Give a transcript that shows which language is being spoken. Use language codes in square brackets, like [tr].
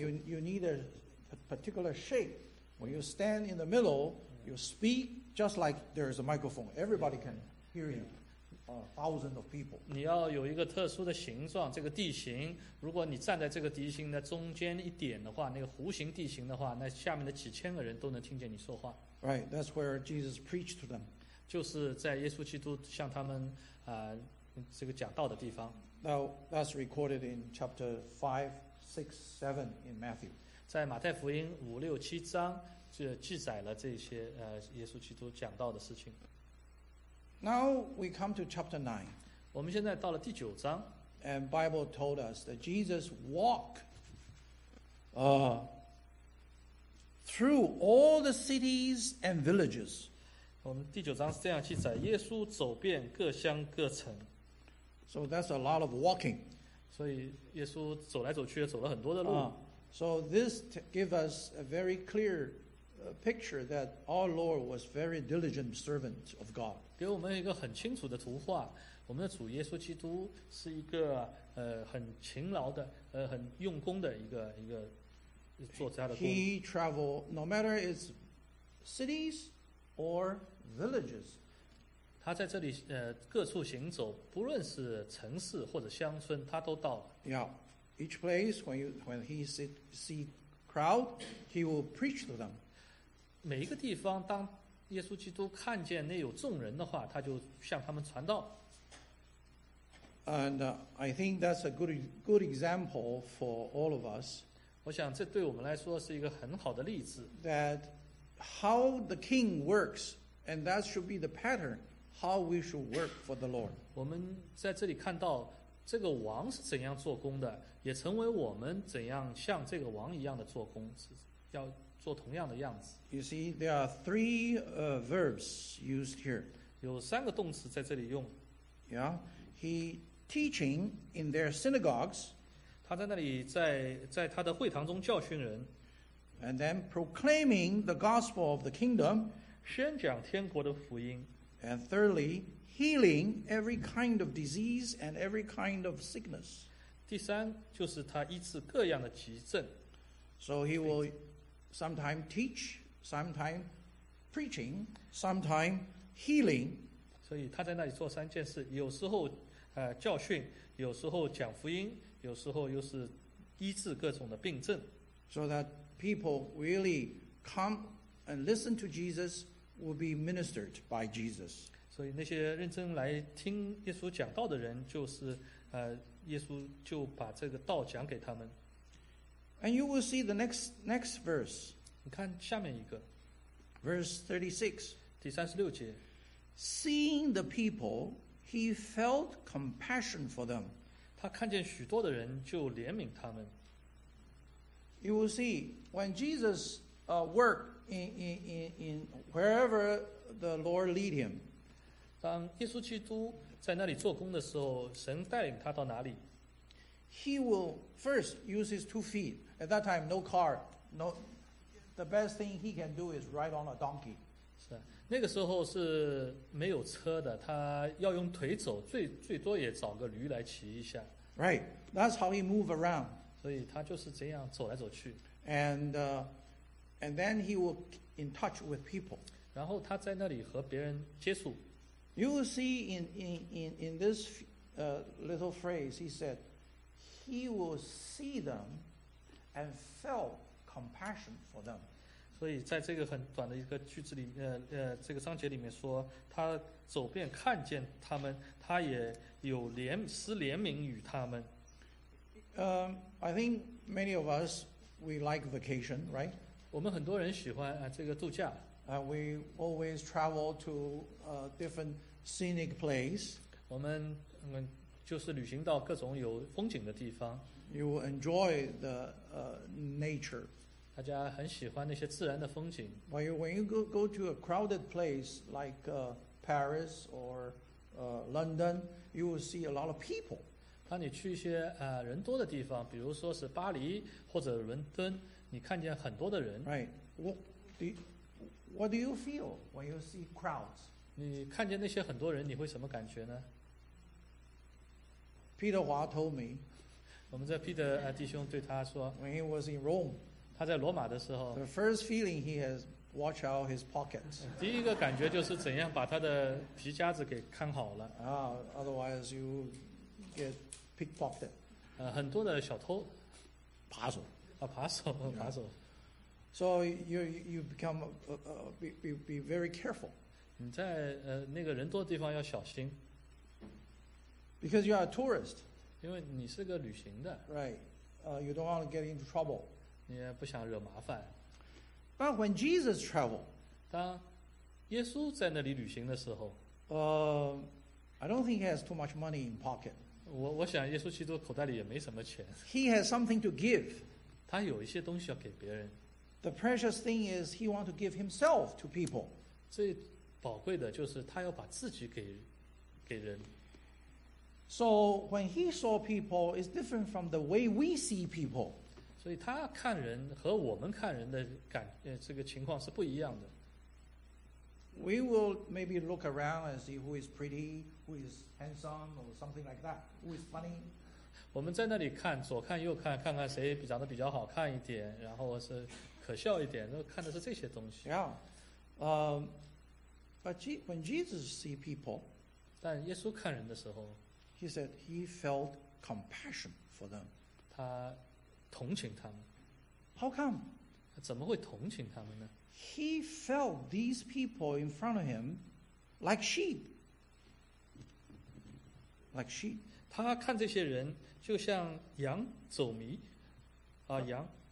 [en] You need a particular shape. When you stand in the middle, you speak just like there is a microphone. Everybody can hear you. Thousands of people. [zh] 你要有一个特殊的形状，这个地形。如果你站在这个地形的中间一点的话，那个弧形地形的话，那下面的几千个人都能听见你说话。 [en] Right, that's where Jesus preached to them. [zh] 就是在耶稣基督向他们这个讲道的地方。 [en] Now that's recorded in chapter 5, 6, 7 in Matthew. [zh] 在马太福音五六七章就记载了这些耶稣基督讲道的事情。 [en] Now we come to chapter 9. [zh] 我们现在到了第九章。 [en] And Bible told us that Jesus walked through all the cities and villages. [zh] 我们第九章是这样记载，耶稣走遍各乡各城。 [en] So that's a lot of walking. [zh] 所以耶稣走来走去也走了很多的路。 [en] So this gives us a very clear picture that our Lord was very diligent servant of God. [zh] 给我们一个很清楚的图画，我们的主耶稣基督是一个很勤劳的很用功的一个作家的工。 [en] He traveled no matter it's cities or villages. [zh] 他在这里各处行走，不论是城市或者乡村，他都到了。 [en] Yeah, each place when he see crowd, he will preach to them. [zh] 每一个地方，当耶稣基督看见那有众人的话，他就向他们传道。 [en] And I think that's a good example for all of us. [zh] 我想这对我们来说是一个很好的例子。 [en] That how the king works, and that should be the pattern how we should work for the Lord. [zh] 我们在这里看到这个王是怎样做工的，也成为我们怎样像这个王一样的做工，是要。做同样的样子。 [en] You see, there are three verbs used here. [zh] 有三个动词在这里用。 [en] Yeah, he teaching in their synagogues. [zh] 他在那里在他的会堂中教训人。 [en] And then proclaiming the gospel of the kingdom. [zh] 宣讲天国的福音。 [en] And thirdly, healing every kind of disease and every kind of sickness. [zh] 第三就是他医治各样的疾症。 [en] So he will. Sometime teach, sometime preaching, sometime healing. [zh] 所以他在那里做三件事，有时候教训，有时候讲福音，有时候又是医治各种的病症。 [en] So that people really come and listen to Jesus will be ministered by Jesus. [zh] 所以那些认真来听耶稣讲道的人，就是耶稣就把这个道讲给他们。 [en] And you will see the next verse. [zh] 你看下面一个。 [en] Verse [zh] 36. 第三十六节。 [en] Seeing the people, he felt compassion for them. [zh] 他看见许多的人就怜悯他们。 [en] You will see, when Jesus worked in wherever the Lord lead him, [zh] 当耶稣基督在那里做工的时候，神带领他到哪里？ [en] He will first use his two feet. At that time, no car. No, the best thing he can do is ride on a donkey. [zh] 是，那个时候是没有车的，他要用腿走，最多也找个驴来骑一下。 [en] Right, that's how he move around. [zh] 所以他就是这样走来走去。 [en] And then he will in touch with people. [zh] 然后他在那里和别人接触。 [en] You will see in this little phrase, he said, he will see them and felt compassion for them. [zh] 所以在这个很短的一个句子里面，这个章节里面说，他走遍看见他们，他也有怜悯与他们。 [en] I think many of us, we like vacation, right? [zh] 我们很多人喜欢这个度假。 [en] We always travel to different scenic place. [zh] 我们就是旅行到各种有风景的地方。 [en] You will enjoy the nature. [zh] 大家很喜欢那些自然的风景。 [en] When you go to a crowded place like Paris or London, you will see a lot of people. [zh] 当你去一些人多的地方，比如说是巴黎或者伦敦，你看见很多的人。 [en] Right. What do you feel when you see crowds? [zh] 你看见那些很多人，你会什么感觉呢？ [en] Peter Hua told me. [zh] 我们在 Peter 弟兄对他说。 [en] When he was in Rome. [zh] 他在罗马的时候。 [en] The first feeling he has, watch out his pockets. [zh] 第一个感觉就是怎样把他的皮夹子给看好了。 [en] Otherwise you get pickpocketed. [zh] 很多的小偷。扒手。扒手，扒手。 [en] So you become be very careful. [zh] 你在那个人多的地方要小心。 [en] Because you are a tourist. [zh] 因为你是个旅行的。 [en] Right. You don't want to get into trouble. [zh] 你也不想惹麻烦。 [en] But when Jesus traveled, [zh] 当耶稣在那里旅行的时候， [en] I don't think he has too much money in pocket. [zh] 我想耶稣基督口袋里也没什么钱。 [en] He has something to give. [zh] 他有一些东西要给别人。 [en] The precious thing is he wants to give himself to people. [zh] 最宝贵的就是他要把自己给人。 [en] So when he saw people, it's different from the way we see people. [zh] 所以他看人和我们看人的这个情况是不一样的。 [en] We will maybe look around and see who is pretty, who is handsome, or something like that, who is funny. [zh] 我们在那里看，左看右看，看看谁长得比较好看一点，然后是可笑一点，都看的是这些东西。 [en] Yeah. But when Jesus see people, [zh] 但耶稣看人的时候， [en] he said he felt compassion for them. [zh] 他同情他们。 How come? 他怎么会同情他们呢？ [en] He felt these people in front of him like sheep. Like sheep. [zh] 他看这些人就像羊走迷，羊。